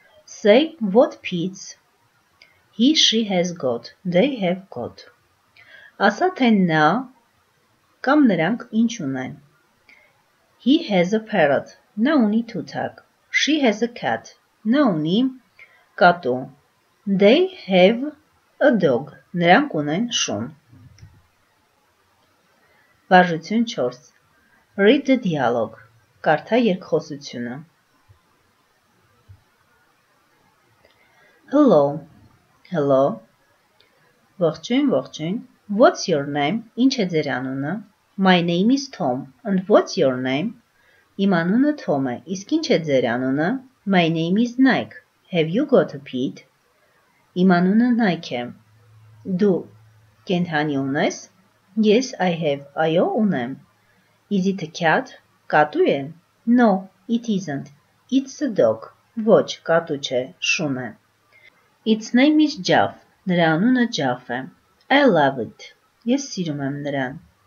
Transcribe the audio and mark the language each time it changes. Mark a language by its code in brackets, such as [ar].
[en] Say what pits he, she has got, they have got. [hy] Ասա թե նա կամ նրանք ինչ ունեն. [en] He has a parrot, [hy] նա ունի թութակ. [en] She has a cat, [hy] նա ունի կատու. [en] They have a dog, [hy] նրանք ունեն շուն. Վարժություն 4. [en] Read the dialogue, [hy] կարդա երկխոսությունը. [en] Hello, hello, [hy] ողջույն, ողջույն. [en] What's your name, [hy] ինչ է ձեր անունը? [en] My name is Tom, and what's your name? [hy] Իմ անունը Tom է, իսկ ինչ է ձեր անունը? [en] My name is Nike, have you got a pit? [hy] Իմ անունը Nike է, դու կենդանի ունես? [en] Yes, I have, [hy] այո ունեմ. [en] Is it a cat, [hy] կատու է? [en] No, it isn't, it's a dog, [hy] ոչ, կատու չէ, շուն է. [en] Its name is Jeff, [hy] նրա անունը Jeff է. [en] I love it, [hy] ես սիրում եմ նրան.